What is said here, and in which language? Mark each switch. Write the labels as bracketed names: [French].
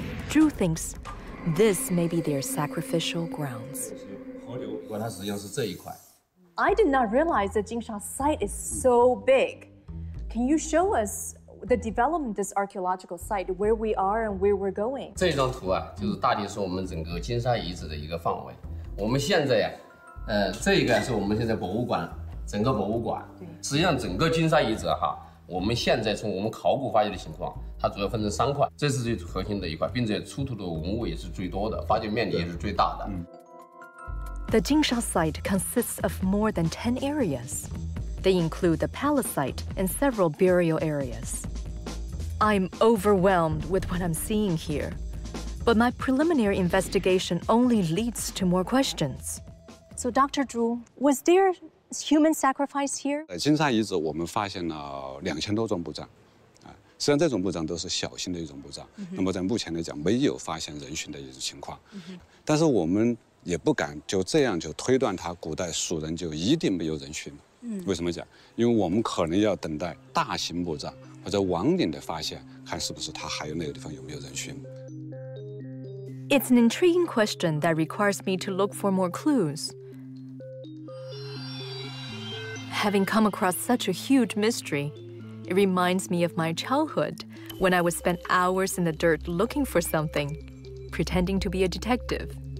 [English] Zhu thinks this may be their sacrificial grounds. [Chinese] 它实际上是这一块。 [English] I did not realize that Jinsha site is so big. Can you show us the development of this archaeological site, where we are and where we're going? [Chinese] 这张图啊，就是大体是我们整个金沙遗址的一个范围。我们现在呀，这个是我们现在博物馆，整个博物馆。实际上整个金沙遗址哈，我们现在从我们考古发掘的情况，它主要分成三块，这是最核心的一块，并且出土的文物也是最多的，发掘面积也是最大的。 [English] The Jinsha site consists of more than 10 areas. They include the palace site and several burial areas. I'm overwhelmed with what I'm seeing here, but my preliminary investigation only leads to more questions. So Dr. Zhu, was there human sacrifice here? [Chinese] 金沙遗址我们发现了2000多种墓葬。实际上这种墓葬都是小型的一种墓葬，那么在目前来讲没有发现人群的一种情况，但是我们也不敢就这样就推断它古代蜀人就一定没有人群。为什么讲？因为我们可能要等待大型墓葬或者王陵的发现，看是不是它还有那个地方有没有人群。 [English] It's an intriguing question that requires me to look for more clues. Having come across such a huge mysteryIt reminds me of my childhood, when I would spend hours in the dirt looking for something, pretending to be a detective.